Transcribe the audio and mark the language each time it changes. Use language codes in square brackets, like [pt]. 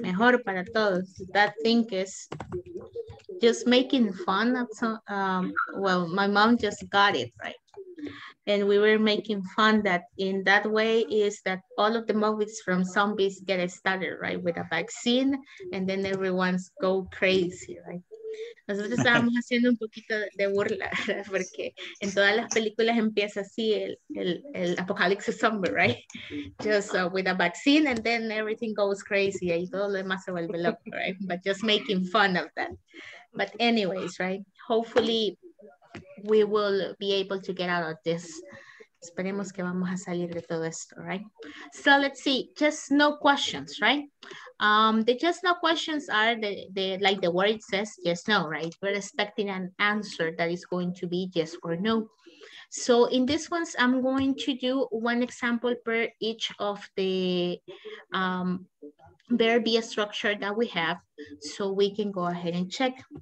[es] Mejor para todos. [en] That thing is just making fun of some, well, my mom just got it, right? And we were making fun that in that way is that all of the movies from zombies get started, right? With a vaccine, and then everyone's go crazy, right? [es] Nosotros estábamos haciendo un poquito de burla, porque en todas las películas empieza así el apocalipsis zombie, [en] right? Just with a vaccine, and then everything goes crazy, [es] y todo lo demás se vuelve loco, [en] right? But just making fun of that. But anyways, right? Hopefully, we will be able to get out of this. [es] Esperemos que vamos a salir de todo esto, [en] right? So let's see, just no questions, right? The just no questions are the like the word says, yes, no, right? We're expecting an answer that is going to be yes or no. So in this ones, I'm going to do one example per each of the verb structure that we have, so we can go ahead and check.